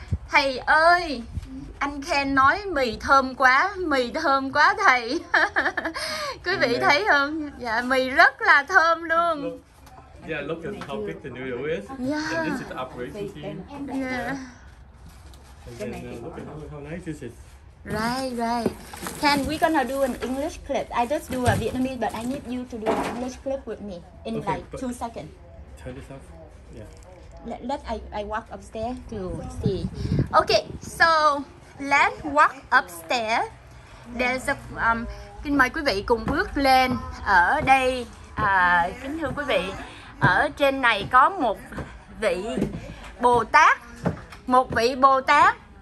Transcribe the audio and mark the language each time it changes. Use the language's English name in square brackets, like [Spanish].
[Vietnamese] Thầy ơi, anh Ken nói mì thơm quá thầy. Quý vị thấy không? Dạ, mì rất là thơm luôn. [English] Look, yeah, look at how big the noodle is. Yeah. And this is the operation team. Yeah. And then, look how nice this is. Right, right. Ken, we're gonna do an English clip. I just do a Vietnamese, but I need you to do an English clip with me in okay, like 2 seconds. Turn this off. Yeah. Let I walk upstairs to see. Okay, so let's walk upstairs. There's a [Vietnamese] kính mời quý vị cùng bước lên ở đây. Kính thưa quý vị, ở trên này có một vị Bồ Tát, một vị Bồ Tát.